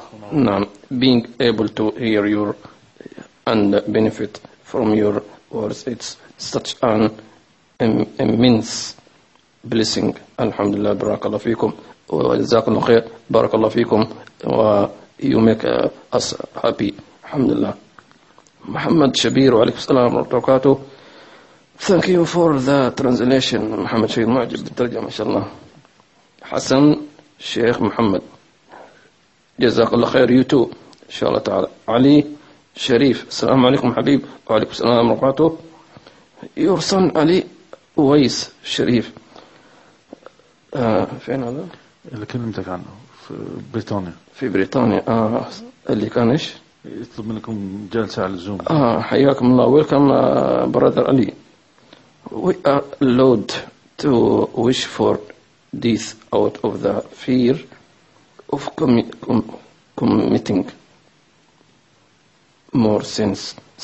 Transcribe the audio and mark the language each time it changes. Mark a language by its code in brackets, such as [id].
[en] نعم، being able to hear your and benefit from your words, it's such an immense blessing. [ar] الحمد لله، بارك الله فيكم وجزاك الله خير، بارك الله فيكم و [en] you make us happy. [ar] الحمد لله. محمد شبير وعليكم السلام ورحمة الله وبركاته. [en] Thank you for the translation. [ar] محمد شبير معجب بالترجمة ما شاء الله. حسن شيخ محمد جزاك الله خير، [en] you too [ar] إن شاء الله تعالى. علي شريف السلام عليكم حبيب، وعليكم السلام ورحمة الله وبركاته. [en] Your son [ar] علي ويس شريف فين هذا؟ اللي كلمتك عنه في بريطانيا. في بريطانيا اللي كان ايش؟ يطلب منكم جلسة على الزوم. حياكم الله، [en] welcome brother [ar] علي. [en] We are loaded to wish for death out of the fear of committing more sins.